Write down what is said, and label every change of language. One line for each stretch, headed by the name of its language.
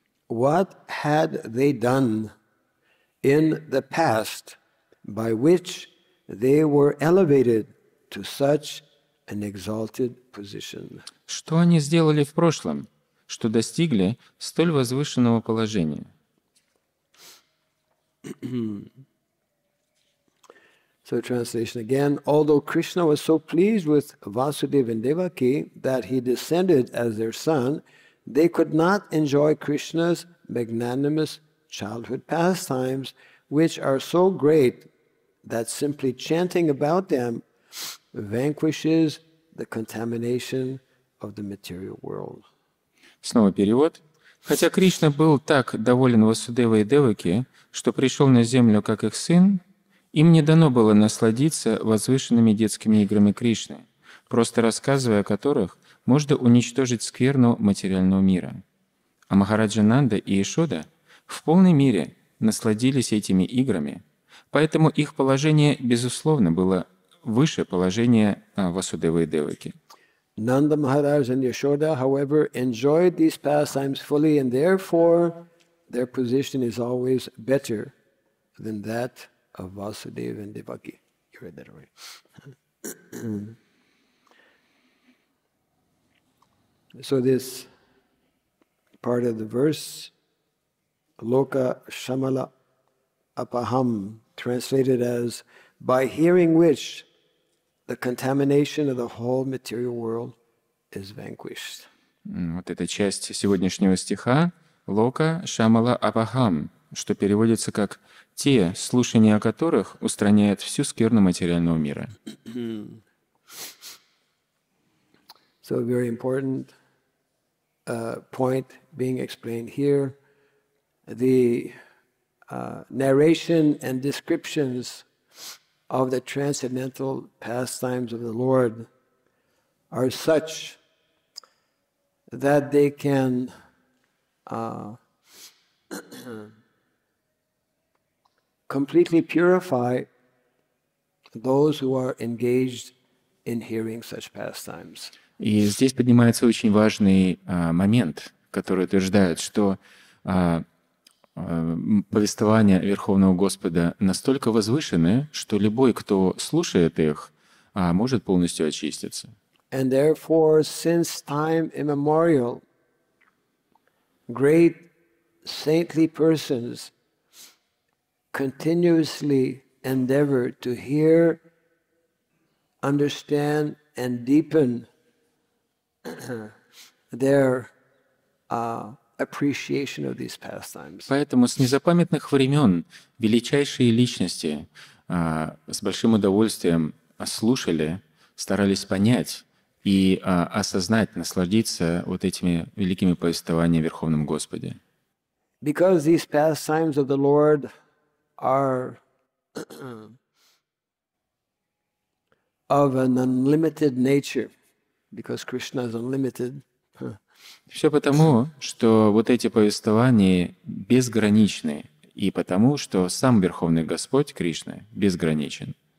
English: What had they done in the past by which they were elevated to such an exalted position?
Russian: Что они сделали в прошлом, что достигли столь возвышенного положения?
English: So translation again, although Krishna was so pleased with Vasudeva and Devaki that he descended as their son, they could not enjoy Krishna's magnanimous childhood pastimes, which are so great that simply chanting about them vanquishes the contamination of the material world.
Russian: Снова перевод. Хотя Кришна был так доволен Васудевой и Деваки, что пришел на землю как их сын, им не дано было насладиться возвышенными детскими играми Кришны, просто рассказывая о которых, можно уничтожить скверну материального мира. А Махараджа Нанда и Яшода в полной мере насладились этими играми, поэтому их положение, безусловно, было выше положения Васудевы и Деваки.
English: Nanda Maharaj and Yashoda, however, enjoyed these pastimes fully, and therefore their position is always better than that of Vasudeva and Devaki. You read that already. So this part of the verse, Loka Shamala Apaham, translated as, by hearing which the contamination of the whole material world is vanquished.
Russian: Вот эта часть сегодняшнего стиха Лока Шамала Апахам, что переводится как «те, слушания которых устраняет всю скверну материального мира».
English: So a very important point being explained here. The narration and descriptions of the transcendental pastimes of the Lord are such that they can completely purify those who are engaged in hearing such pastimes.
Russian: И здесь поднимается очень важный момент, который утверждает, что повествования Верховного Господа настолько возвышены, что любой, кто слушает их, может полностью очиститься.
English: And therefore, since time immemorial, great saintly persons continuously endeavor to hear, understand, and deepen their appreciation of these pastimes.
Russian: Поэтому с незапамятных времен величайшие личности с большим удовольствием слушали, старались понять и осознать, насладиться вот этими великими повествованиями Верховном Господе.
English: Because these pastimes of the Lord are of an unlimited nature, because Krishna is unlimited.
Russian: Все потому, что вот эти повествования безграничны, и потому, что сам Верховный Господь Кришна безграничен.